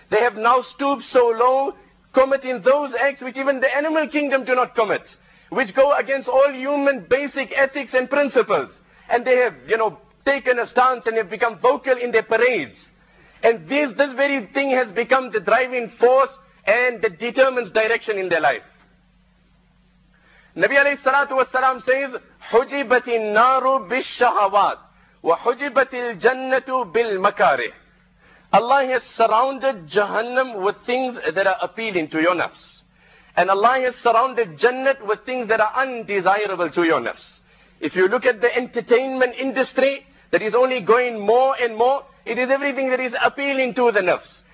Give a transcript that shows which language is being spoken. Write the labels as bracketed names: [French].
[English] They have now stooped so low, committing those acts which even the animal kingdom do not commit, which go against all human basic ethics and principles. And they have, you know, taken a stance and have become vocal in their parades. And this very thing has become the driving force and the determines direction in their life. [Arabic] Nabi alayhi salatu wasalam [English] says, [Arabic] حُجِبَتِ النَّارُ بِالشَّهَوَاتِ وَحُجِبَتِ الْجَنَّةُ بِالْمَكَارِهِ. [English] Allah has surrounded Jahannam with things that are appealing to your nafs. And Allah has surrounded Jannat with things that are undesirable to your nafs. If you look at the entertainment industry that is only going more and more, it is everything that is appealing to the nafs.